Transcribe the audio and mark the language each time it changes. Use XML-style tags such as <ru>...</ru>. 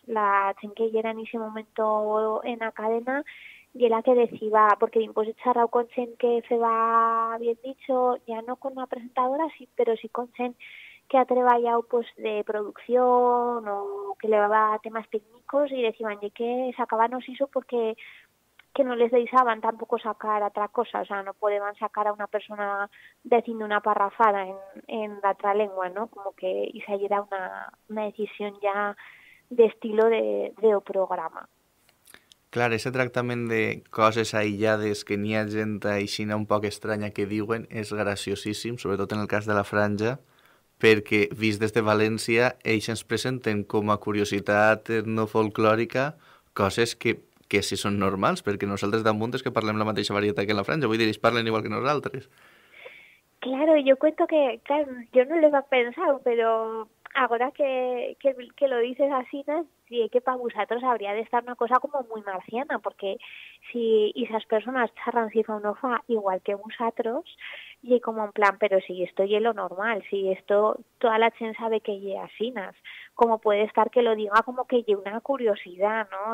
<an>La gente que era en ese momento en la cadena y era que decía, porque después de charrao con gente que se va bien dicho, ya no con la presentadora, sí, pero sí con gente que ha trabajado pues, de producción o que llevaba temas técnicos, y decían ya que sacábanos eso porque... que no les deisaban tampoco sacar otra cosa, o sea, no podían sacar a una persona diciendo una parrafada en la otra lengua, ¿no? Como que esa era una decisión ya de estilo de o programa.</an> <ca>Claro, ese tractament de coses aïllades que n'hi ha gent aixina un poc estranya que diuen és graciosíssim, sobretot en el cas de la franja, perquè vist des de València, ells ens presenten com a curiositat no folclòrica coses que si són normals, perquè nosaltres damunt és que parlem la mateixa varietat que en la franja, vull dir, ells parlen igual que nosaltres.</ca> <an>Claro, yo cuento que, claro, yo no lo he pensado, pero ahora que lo dices así, sí, que para vosotros habría de estar una cosa como muy marciana, porque si esas personas charran si fa o no fa igual que vosotros, y como en plan, pero si esto es lo normal, si esto toda la gente sabe que es así, como puede estar que lo diga como que es una curiosidad, ¿no?</an>